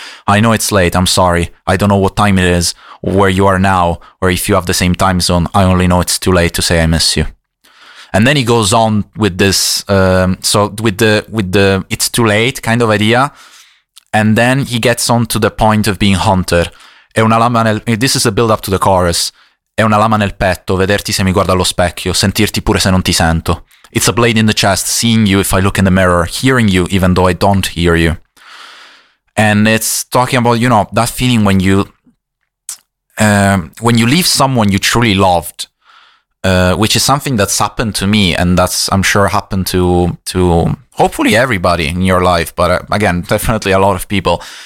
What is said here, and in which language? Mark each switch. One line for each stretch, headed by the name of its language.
English: I know it's late, I'm sorry, I don't know what time it is, or where you are now, or if you have the same time zone, I only know it's too late to say I miss you. And then he goes on with this, with the it's too late kind of idea, and then he gets on to the point of being haunted. È una lama nel, this is a build up to the chorus.
Italian: È una lama nel petto, vederti se mi guardo allo specchio, sentirti pure se non ti sento.
English: It's a blade in the chest, seeing you if I look in the mirror, hearing you even though I don't hear you. And it's talking about, you know, that feeling when you leave someone you truly loved, which is something that's happened to me, and that's, I'm sure, happened to hopefully everybody in your life, but again, definitely a lot of people.